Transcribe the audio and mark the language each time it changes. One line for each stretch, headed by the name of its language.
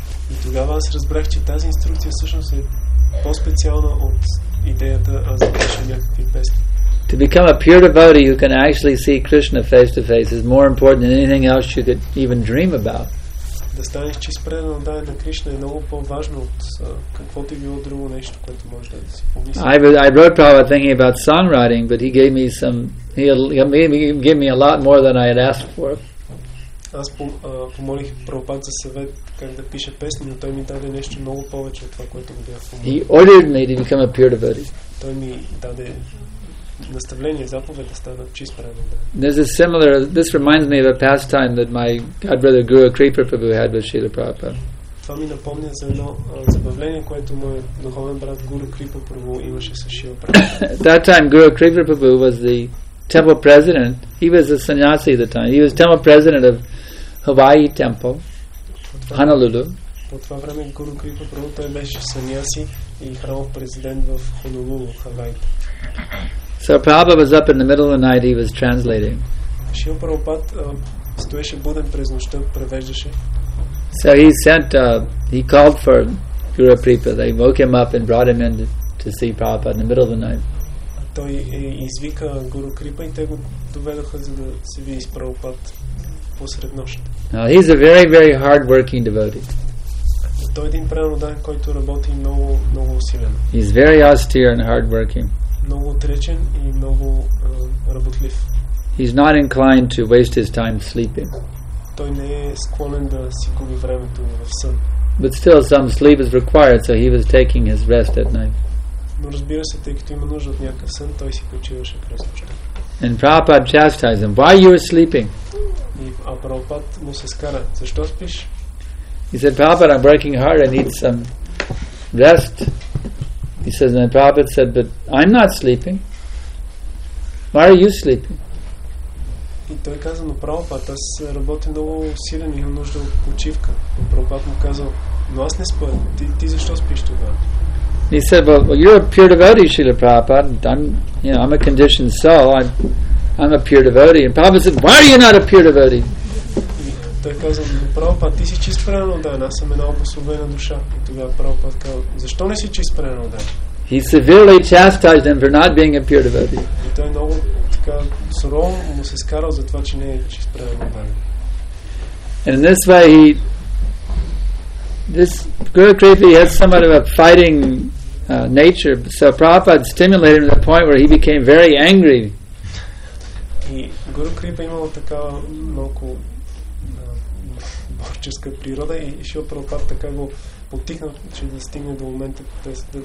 Bulgarian: И тогава аз разбрах, че тази инструкция всъщност е по-специална от идеята аз да пиша някакви песни.
English: To become a pure devotee who can actually see Krishna face to face is more important than anything else you could even dream about.
Bulgarian: Да станеш чист предан отдаден на Кришна е много по-важно от каквото било друго нещо, което може да си помисли.
English: I wrote Prabhupada thinking about songwriting, but he gave me a lot more than I had asked for.
Bulgarian: Аз помолих Прабхупада за съвет как да пиша песни, но той ми даде нещо много повече от това, което го бях помолил.
English: He ordered me to become a pure devotee.
Bulgarian: Той ми даде наставление, заповед да стана чист преданен.
English: This reminds me of a pastime that my godbrother Guru Kripa Prabhu had with Srila Prabhupada.
Bulgarian: Това ми напомня за едно забавление, което мой духовен брат Guru Kripa Prabhu имаше с Шрила Прабхупада.
English: That time Guru Kripa Prabhu was the temple president. He was a sannyasi at the time. He was temple president of Hawaii temple, Honolulu.
Bulgarian: По това време Гуру Крипа Прабху, той беше сънняси и храмов президент в Хонолулу, Хавай.
English: So Prabhupada was up in the middle of the night, he was translating.
Bulgarian: Шрила Прабхупад стоеше буден през нощта, превеждаше.
English: So he called for Гуру Крипа. They woke him up and brought him in to see Prabhupada in the middle of the night.
Bulgarian: той извика Гуру Крипа и те го доведоха за да се види с Прабхупад посред нощ.
English: Now he's a very, very hard-working devotee.
Bulgarian: Той е един преданодан, който работи много, много усилено.
English: He's very austere and hard-working.
Bulgarian: Много отречен и много работлив.
English: He's not inclined to waste his time sleeping.
Bulgarian: Той не е склонен да си губи времето в сън.
English: But still some sleep is required, so he was taking his rest at night.
Bulgarian: Но разбира се, тъй като има нужда от някакъв сън, той си почиваше през нощта.
English: And Prabhupada chastised him, why you are sleeping?
Bulgarian: И Прабхупад му се скара, защо спиш?
English: He said, Prabhupada, I'm working hard, I need some rest. He says, and Prabhupada said, but I'm not sleeping. Why are you sleeping?
Bulgarian: И той каза, но Прабхупад, аз работя много силен и имам нужда от почивка. И Прабхупад му казал, но аз не спя, ти защо спиш тогава?
English: He said, well, you're a pure devotee, Srila Prabhupada. I'm a conditioned soul. I'm a pure devotee. And Prabhupada said, why are you not a pure devotee?
Bulgarian: Той каза, Прабхупад, ти си чист преданодан, аз съм една обословена душа. И тогава Прабхупад каза, защо не си чист преданодан?
English: He severely chastised him for not being a pure devotee.
Bulgarian: И той много така сурово му се скарал за това, че не е чист преданодан.
English: And in this way this Guru Kripa has somewhat of a fighting nature, so Prabhupada stimulated him to the point where he became very angry.
Bulgarian: И Guru Kripa имало такава малко борческа природа и Шрила Прабхупад така го потихна, че да стигне до момента да го